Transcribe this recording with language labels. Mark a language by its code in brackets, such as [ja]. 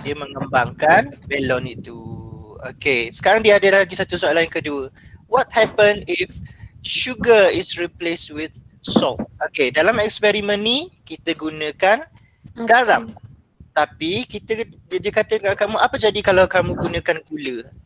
[ms] Dia mengembangkan balon itu. Okay. Sekarang dia ada lagi satu soalan yang kedua. [en] What happen if sugar is replaced with salt? [ms] Okay, dalam eksperimen ni kita gunakan garam. Tapi dia kata dengan kamu, apa jadi kalau kamu gunakan gula?